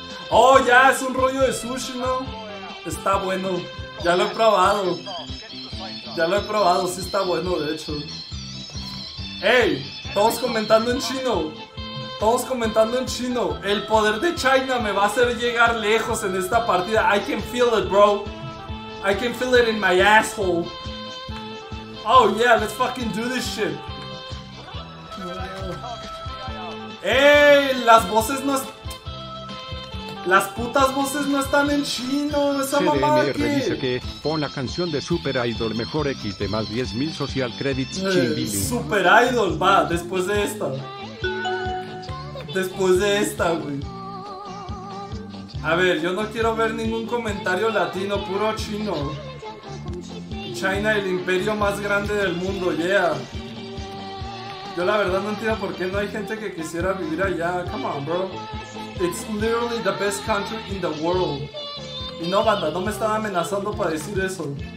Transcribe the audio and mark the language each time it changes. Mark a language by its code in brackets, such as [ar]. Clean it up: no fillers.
[es] Oh, ya, es un rollo de sushi, ¿no? Está bueno, ya lo he probado. Ya lo he probado, sí está bueno, de hecho. ¡Ey! Todos comentando en chino. Todos comentando en chino. El poder de China me va a hacer llegar lejos en esta partida. [en] I can feel it, bro. I can feel it in my asshole. Oh yeah, let's fucking do this shit. [es] ¡Ey! Las voces no... Las putas voces no están en chino. Esa CDMR mamada que... dice que pon la canción de Super Idol mejor X de más 10,000 social credits. Super Idol, va, después de esta. Después de esta, güey. A ver, yo no quiero ver ningún comentario latino, puro chino. China, el imperio más grande del mundo, yeah. Yo la verdad no entiendo por qué no hay gente que quisiera vivir allá. [en] Come on, bro. It's literally the best country in the world. [es] Y no, banda, no me están amenazando para decir eso.